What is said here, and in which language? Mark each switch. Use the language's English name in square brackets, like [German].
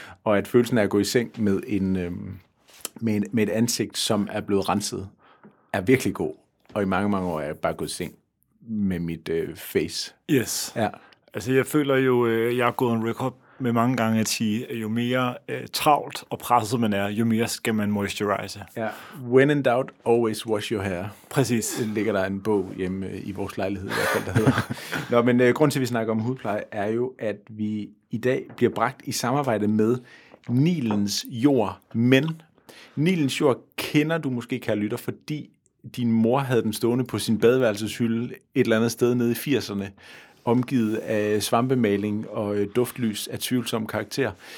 [Danish] Og at følelsen af at gå i seng med en, med et ansigt, som er blevet renset, er virkelig god. Og i mange, mange år er jeg bare gået i seng med mit face. [English] Yes. [Danish] Ja. Altså, jeg føler jo, jeg har gået en record med mange gange at sige, at jo mere travlt og presset man er, jo mere skal man moisturize. Ja. [English] When in doubt, always wash your hair. [Danish] Præcis. Det ligger der en bog hjemme i vores lejlighed, i hvert fald, der hedder. Nå, men grunden til, at vi snakker om hudpleje, er jo, at vi i dag bliver bragt i samarbejde med Nilens Jord. Men Nilens Jord kender du måske, kære lytter, fordi din mor havde den stående på sin badeværelseshylde et eller andet sted nede i 80'erne, omgivet af svampemaling og duftlys af tvivlsom karakter.